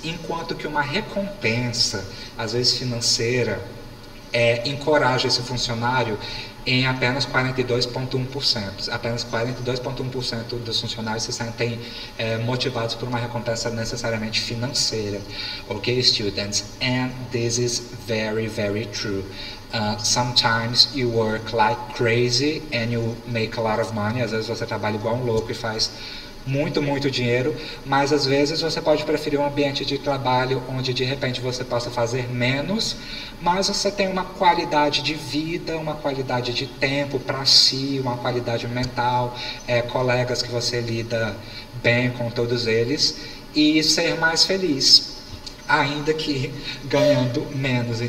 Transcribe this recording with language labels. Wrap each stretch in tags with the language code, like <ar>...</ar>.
<pt>Enquanto que uma recompensa, às vezes financeira, encoraja esse funcionário em apenas 42,1%. Apenas 42,1% dos funcionários se sentem motivados por uma recompensa necessariamente financeira.</pt> <en>Ok, students? And this is very, very true. Sometimes you work like crazy and you make a lot of money.</en> <pt>Às vezes você trabalha igual um louco e faz muito, muito dinheiro, mas às vezes você pode preferir um ambiente de trabalho onde de repente você possa fazer menos, mas você tem uma qualidade de vida, uma qualidade de tempo para si, uma qualidade mental, colegas que você lida bem com todos eles e ser mais feliz, ainda que ganhando menos.</pt>